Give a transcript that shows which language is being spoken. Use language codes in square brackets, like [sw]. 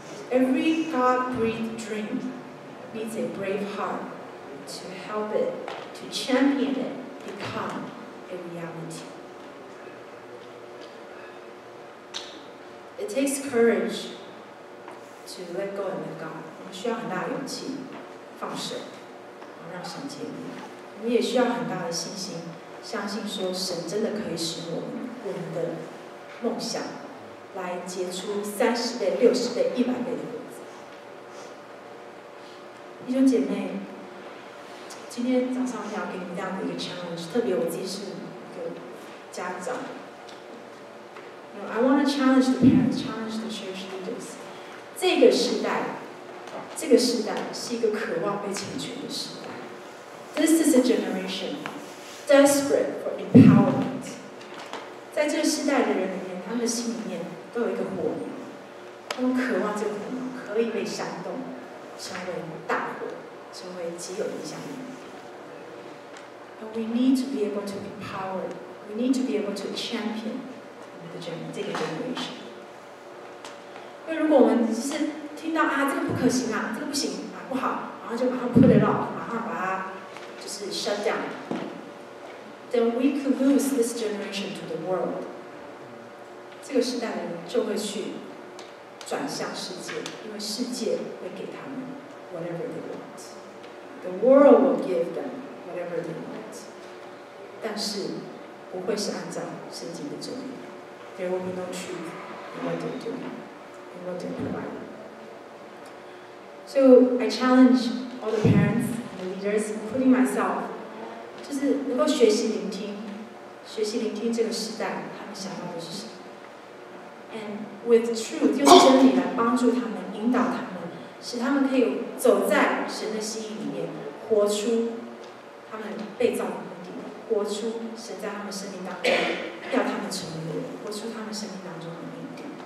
[en] Every God-breathed dream needs a brave heart to help it, to champion it, become a reality. It takes courage to let go and let God. [zh] 我们需要很大的勇气放手，然后让神接力。我们也需要很大的信心，相信说神真的可以使我们的梦想来结出30倍、60倍、100倍的果子。弟兄姐妹，今天早上要给你们这样的一个 challenge， 特别我自己是一个家长。 [en] You know, I want to challenge the parents, challenge the church leaders。 [zh] 这个时代是一个渴望被成全的时代。 [en] This is a generation. Desperate for empowerment， [zh] 在这个世代的人里面，他们的心里面都有一个火苗，他们渴望这个火苗可以被煽动，成为大火，成为极有影响力。 [en] And we need to be able to empower， we need to be able to champion [zh] 我们的这个 [en] generation。 [zh] 因为如果我们只是听到啊，这个不可行啊，这个不行啊，不好，然后就马上 [en] put it off， [zh] 马上把它就是 [en] shut down。 Then we could lose this generation to the world. [zh] 这个时代的人就会去转向世界，因为世界会给他们 [en] whatever they want. The world will give them whatever they want. [zh] 但是不会是按照圣经的真理。 [en] There will be no truth in what they do, in what they provide. So I challenge all the parents and the leaders, including myself. [zh] 就是能够学习聆听，学习聆听这个时代他们想要的是什么。 [en] And with truth， [zh] 用真理来帮助他们，引导他们，使他们可以走在神的心意里面，活出他们被造的目的，活出神在他们生命当中要他们成为的人，活出他们生命当中的目的。